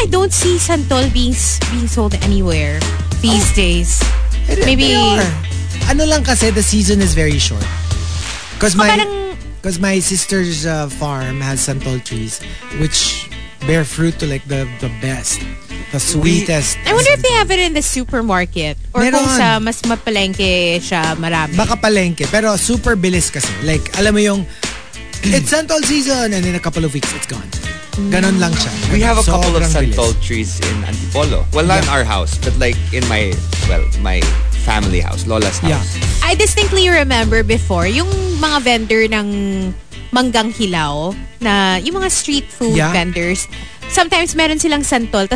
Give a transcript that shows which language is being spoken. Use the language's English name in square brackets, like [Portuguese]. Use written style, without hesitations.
[English] I don't see santol being sold anywhere these days. [Filipino] Ano lang kasi, [English] the season is very short. Because my sister's farm has santol trees, which bear fruit to like the best. The sweetest. I wonder if they have it in the supermarket. [Filipino] Kung sa mas mapalengke siya marami. Baka palengke. Pero super bilis kasi. [English] Like, [Filipino] alam mo yung, [English] it's santol season and in a couple of weeks, it's gone. [Filipino] Ganon lang siya. [English] We have a couple of santol trees in Antipolo. Well, not in our house, but like in my family house, Lola's house. Yeah. I distinctly remember before, [Filipino] yung mga vendor ng manggang hilaw, na yung mga [English] street food vendors, sometimes meron silang santol.